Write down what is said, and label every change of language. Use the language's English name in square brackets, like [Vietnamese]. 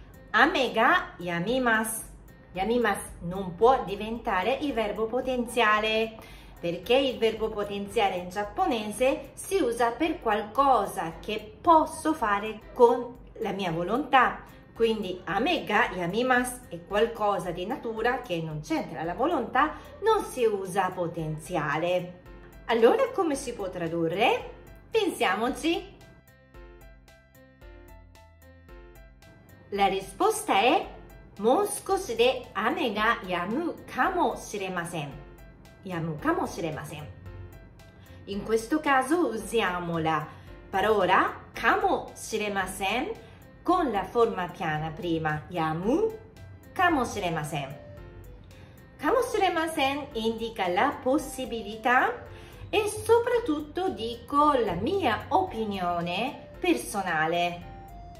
[Japanese] Ame ga yamimasu. Yamimasu [Italian] non può diventare il verbo potenziale, perché il verbo potenziale in giapponese si usa per qualcosa che posso fare con la mia volontà. Quindi [Japanese] ame ga yamimasu [Italian] è qualcosa di natura che non c'entra la volontà, non si usa potenziale. Allora come si può tradurre? Pensiamoci! La risposta è [Japanese] もう少しで雨が止むかもしれません。止むかもしれません。 [Italian] In questo caso usiamo la parola かもしれません con la forma piana prima, [Japanese] yamu, kamoshiremasen. [Italian] Kamoshiremasen indica la possibilità e soprattutto dico la mia opinione personale.